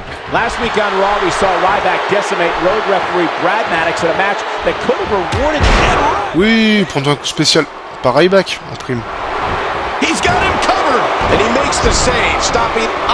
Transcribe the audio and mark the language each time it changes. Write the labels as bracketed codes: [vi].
[en] Last week on Raw, we saw Ryback decimate road referee Brad Maddox in a match that could have rewarded him. [fr] Oui, prends un coup spécial par Ryback en prime. [en] He's got him covered and he makes the save, stopping.